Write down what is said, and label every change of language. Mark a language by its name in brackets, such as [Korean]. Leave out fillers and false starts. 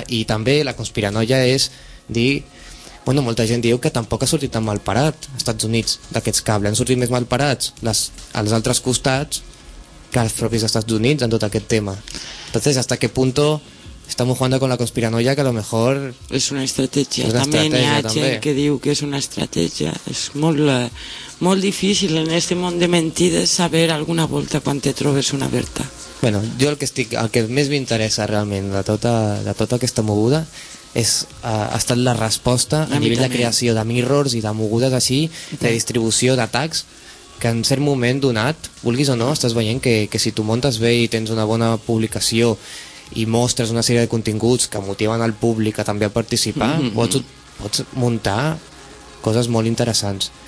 [Catalan] I també la conspiranoia és dir... Bueno, molta gent diu que tampoc ha sortit tan mal parat als Estats Units d'aquests cables. Han sortit més mal parats als altres costats que als propis Estats Units en tot aquest tema. [Spanish] Entonces, hasta qué punto... Estamos jugando con la conspiranoia, que a lo mejor... [Catalan] És una estratègia. També hi ha gent que diu que és una estratègia. És molt, molt difícil en aquest món de mentides saber alguna volta quan te trobes una verta. Bueno, jo el que més m'interessa realment de tota aquesta moguda ha estat la resposta a nivell de creació de mirrors i de mogudes així, de distribució d'atacs, que en cert moment donat, vulguis o no, estàs veient que si tu montes bé i tens una bona publicació i mostres una sèrie de continguts que motiven el públic a també a participar, pots muntar coses molt interessants.